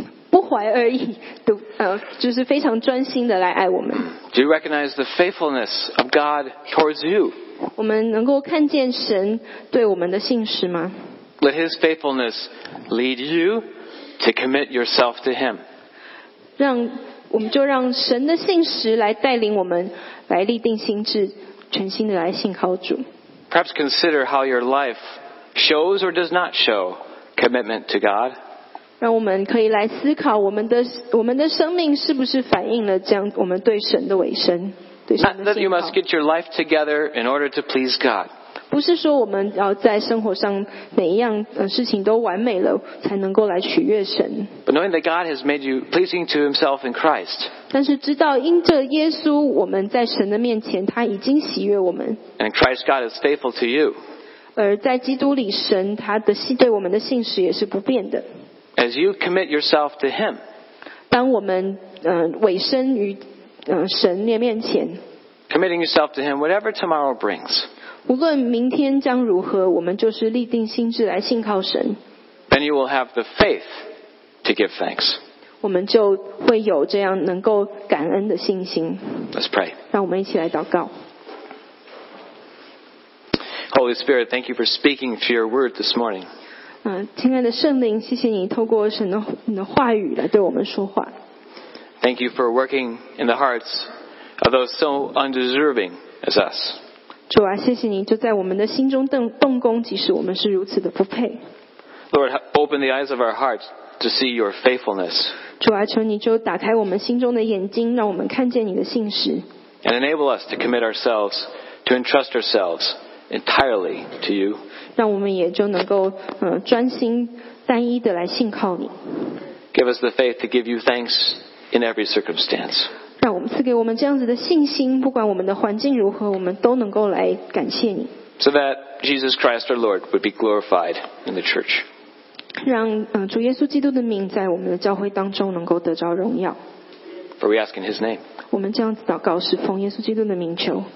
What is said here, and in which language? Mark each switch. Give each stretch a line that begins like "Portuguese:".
Chinese: 不怀而已的就是非常专心的来爱我们。
English: Do you recognize the faithfulness of God towards you?
Chinese: 我们能够看见神对我们的信实吗？
English: Let His faithfulness lead you to commit yourself to Him.
Chinese: 我们就让神的信实来带领我们，来立定心智，全心的来信靠主。
English: Perhaps consider how your life shows or does not show commitment to God.
Chinese: 让我们可以来思考我们的生命是不是反映了这样我们对神的委身，对神的信靠。
English: Not that you must get your life together in order to please God.
Chinese: 不是说我们要在生活上每一样事情都完美了才能够来取悦神。
English: But knowing that God has made you pleasing to Himself in Christ.
Chinese: 但是知道因着耶稣，我们在神的面前他已经喜悦我们。
English: And Christ God is faithful to you.
Chinese: 而在基督里，神他的对我们的信实也是不变的。
English: As you commit yourself to Him,
Chinese: 当我们委身于神的面前
English: committing yourself to Him, whatever tomorrow brings,
Chinese: 无论明天将如何，我们就是立定心智来信靠神
English: then you will have the faith to give thanks.
Chinese: 我们就会有这样能够感恩的信心
English: Let's pray.
Chinese: 让我们一起来祷告
English: Holy Spirit, thank you for speaking through your word this morning.
Chinese: 亲爱的圣灵，谢谢你透过神的话语来对我们说话。
English: Thank you for working in the hearts of those so undeserving as us.
Chinese: 主啊，谢谢你就在我们的心中动工，即使我们是如此的不配。
English: Lord, open the eyes of our hearts to see your faithfulness.
Chinese: 主啊，求你就打开我们心中的眼睛，让我们看见你的信实。
English: And enable us to commit ourselves to entrust ourselves. Entirely to you.
Chinese: 让我们也就能够专心单一的来信靠你。
English: Give us the faith to give you thanks in every circumstance.
Chinese: 让我们赐给我们这样子的信心，不管我们的环境如何，我们都能够来感谢你。
English: So that Jesus Christ our Lord would be glorified in the church.
Chinese: 让主耶稣基督的名在我们的教会当中能够得着荣耀。
English: For we ask in His name.
Chinese: 我们这样子祷告是奉耶稣基督的名求。